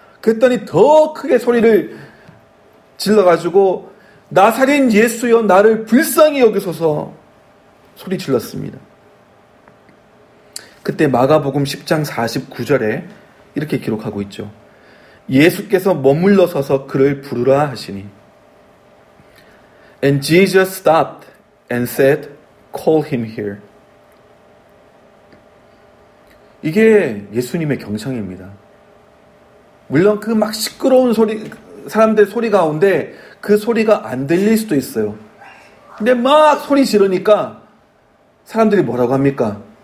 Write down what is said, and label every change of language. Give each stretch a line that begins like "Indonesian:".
Korean: 그랬더니 더 크게 소리를 질러가지고, 나사렛 예수여, 나를 불쌍히 여기소서, 소리 질렀습니다. 그때 마가복음 10장 49절에 이렇게 기록하고 있죠. 예수께서 머물러 서서 그를 부르라 하시니.
English: And Jesus stopped and said, call him here.
Korean: 이게 예수님의 경청입니다. 물론 그 막 시끄러운 소리, 사람들 소리 가운데 그 소리가 안 들릴 수도 있어요. 근데 막 소리 지르니까 사람들이 뭐라고 합니까?